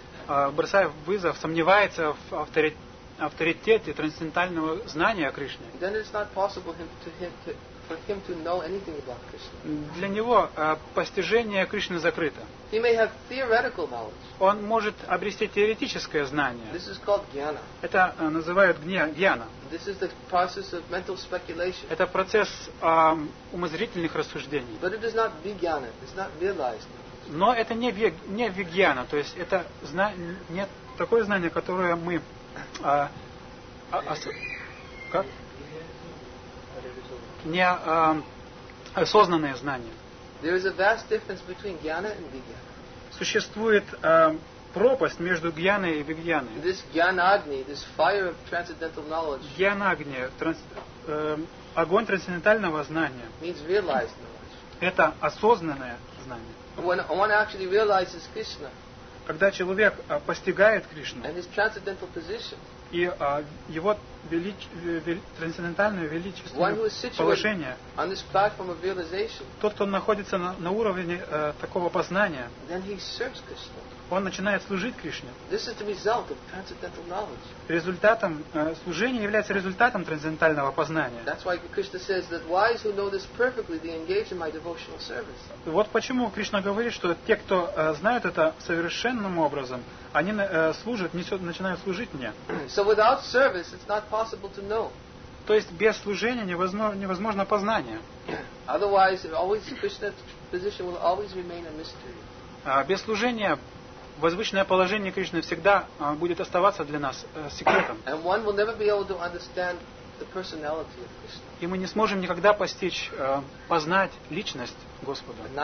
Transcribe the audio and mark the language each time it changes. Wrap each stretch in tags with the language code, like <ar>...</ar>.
<ru>бросая вызов, сомневается в авторитете трансцендентального знания о Кришне,</ru> <en>then it's not possible for him to know anything about Krishna.</en> <ru>Для него постижение Кришны закрыто.</ru> <en>He may have theoretical knowledge.</en> <ru>Он может обрести теоретическое знание.</ru> <en>This is called jnana.</en> <ru>Это называют гьяна.</ru> <en>This is the process of mental speculation.</en> <ru>Это процесс умозрительных рассуждений.</ru> <en>But it is not vijnana. It's not realized.</en> <ru>Но это не вигьяна, то есть это не такое знание, которое мы как? Не осознанное знание.</ru> <en>There is a vast difference between jnana and vijnana.</en> <ru>Существует пропасть между гьяной и вигьяной.</ru> <en>This jnanagni, this fire of transcendental knowledge.</en> <ru>Гьянагни, огонь трансцендентального знания.</ru> <en>Means realized knowledge.</en> <ru>Это осознанное знание.</ru> <en>When one actually realizes Krishna.</en> <ru>Когда человек постигает Кришну.</ru> <en>And his transcendental position.</en> <ru>И его трансцендентальное величественное положение,</ru> <en>on this platform of realization,</en> <ru>тот, кто находится на уровне такого познания,</ru> <en>then he serves Krishna.</en> <ru>Он начинает служить Кришне.</ru> <en>This is the result of transcendental knowledge.</en> <ru>Результатом служения является результатом трансцендентального познания.</ru> <en>That's why Krishna says that wise who know this perfectly, they engage in my devotional service.</en> <ru>Вот почему Кришна говорит, что те, кто знают это совершенным образом, они служат, начинают служить мне.</ru> <en>So without service, it's not possible to know.</en> <ru>То есть без служения невозможно познание.</ru> <en>Otherwise, always Krishna's position will always remain a mystery.</en> <ru>Без служения возвышенное положение Кришны всегда будет оставаться для нас секретом.</ru> <en>And one will never be able to understand the personality of Krishna.</en> <ru>И мы не сможем никогда постичь, познать личность Господа</ru>